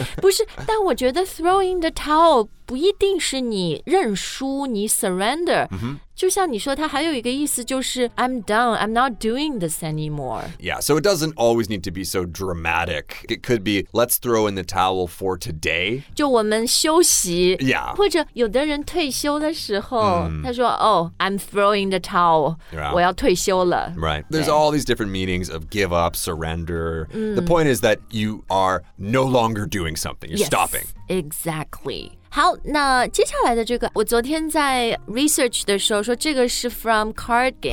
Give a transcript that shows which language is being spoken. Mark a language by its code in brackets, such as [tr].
[zh] 不是但我觉得 [en] throwing the towel [zh] 不一定是你认输你 surrender、 [en] mm-hmm. [zh] 就像你说它还有一个意思就是 [en] I'm done, I'm not doing this anymore. Yeah, so it doesn't always need to be so dramatic. It could be, let's throw in the towel for today. [zh] 就我们休息。 [en] Yeah. [zh] 或者有的人退休的时候、 [en] mm. [zh] 他说 [en] oh, I'm throwing the towel.、 Yeah. [zh] 我要退休了。 [en] Right. There's、 all these different meanings of give up, surrender.、 Mm. The point is that you are no longer doing something. You're yes, stopping. Exactly. [zh] 好，那接下来的这个，我昨天在 research 的时候说，这个是 [en] from card game.